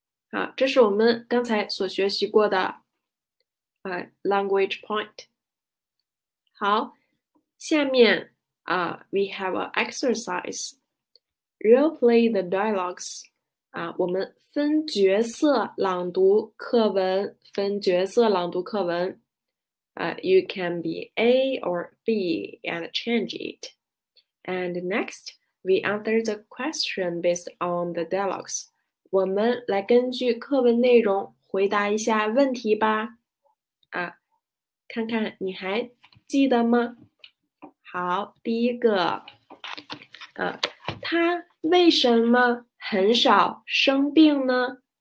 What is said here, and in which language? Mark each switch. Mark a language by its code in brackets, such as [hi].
[zh] 好，这是我们刚才所学习过的，language point。好，下面 [en] we have an exercise，role play the dialogues。 [zh] 啊，我们分角色朗读课文，分角色朗读课文。 [en] You can be A or B and change it. And next, we answer the question based on the dialogues. [zh] 我们来根据课文内容回答一下问题吧。看看你还记得吗？好，第一个，他为什么很少生病呢？